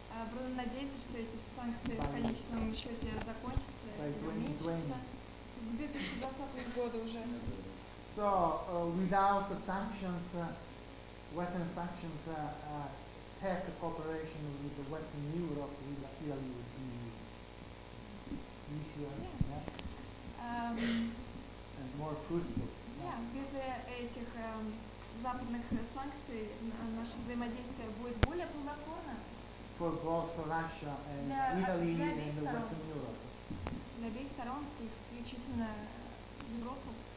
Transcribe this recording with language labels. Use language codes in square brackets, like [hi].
[ru] Bruno надеется, что эти санкции в конечном счете закончатся. [en] So without the sanctions, Western sanctions, tech cooperation with Western Europe will clearly be easier. Yeah. And more fruitful. Yeah. [ru] без этих западных санкций наше взаимодействие будет более плодотворно. [en] For both for Russia and Italy and the Western Europe. [ru] Для обеих сторон, исключительно Европу.